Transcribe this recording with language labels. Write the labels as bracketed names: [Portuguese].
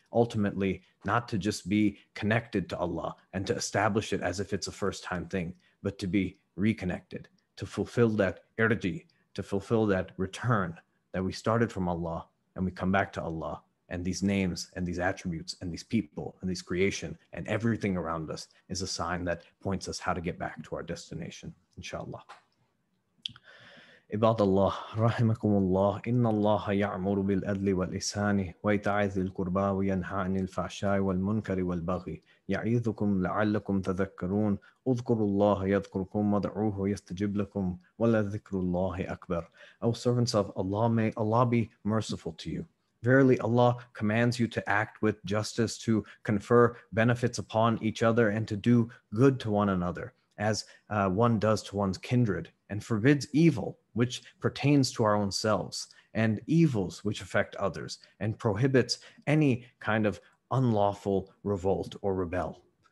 [English] Ultimately, not to just be connected to Allah and to establish it as if it's a first-time thing, but to be reconnected, to fulfill that irji, to fulfill that return that we started from Allah and we come back to Allah, and these names and these attributes and these people and these creation and everything around us is a sign that points us how to get back to our destination, inshallah. [Arabic] عباد الله رحمكم الله إن الله يعمر بالأدل والإحسان وإيتاء ذي القربى وينهى عن الفحشاء والمنكر والبغي يعيذكم لعلكم تذكرون اذكروا الله يذكركم وادعوه يستجب لكم ولذكر الله أكبر. [English] O servants of Allah, may Allah be merciful to you. Verily, Allah commands you to act with justice, to confer benefits upon each other, and to do good to one another, as one does to one's kindred, and forbids evil, which pertains to our own selves, and evils which affect others, and prohibits any kind of unlawful revolt or rebel.